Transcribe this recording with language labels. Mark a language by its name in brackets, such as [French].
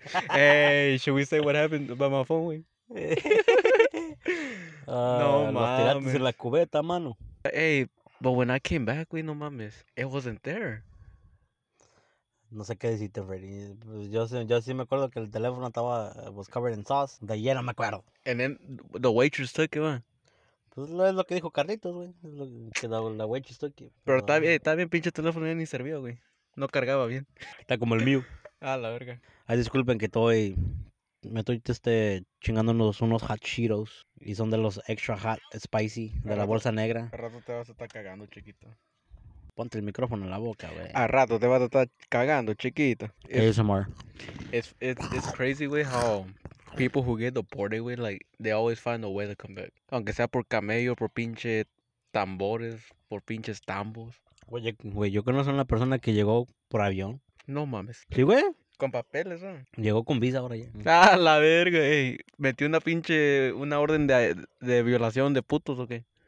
[English] Hey, should we say what happened about my phone, güey? [Spanish] No mames. Lo tiraste en la cubeta, mano. [English] Hey, but when I came back, güey, [Spanish] no mames. [English] It wasn't there. [Spanish] No sé qué decirte, Freddy. Yo sí me acuerdo que el teléfono estaba... [English] was covered in sauce. [Spanish] De ayer no me acuerdo. [English] And then the waitress took it, man. [Spanish] Pues es lo que dijo Carlitos, güey. Que la [English] waitress took it. [Spanish] Pero está bien pinche teléfono, ya ni servía, güey. No cargaba bien. Está como el mío. Ah, la verga. Ay, disculpen que estoy... Me estoy chingando unos hot Cheetos. Y son de los [English] extra hot spicy [Spanish] de la bolsa negra. Al rato te vas a estar cagando, chiquito. Ponte el micrófono en la boca, güey. A rato te vas a estar cagando, chiquito. [English] ASMR. It's crazy, güey, how people who get deported, güey, like, they always find a way to come back. [Spanish] Aunque sea por camello, por pinche tambores, por pinches tambos. Oye, güey, yo conozco a una persona que llegó por avión. No mames. ¿Sí, güey? Con papeles, ¿no? Llegó con visa ahora ya. Ah, la verga, güey. ¿Metió una orden de violación de putos o qué?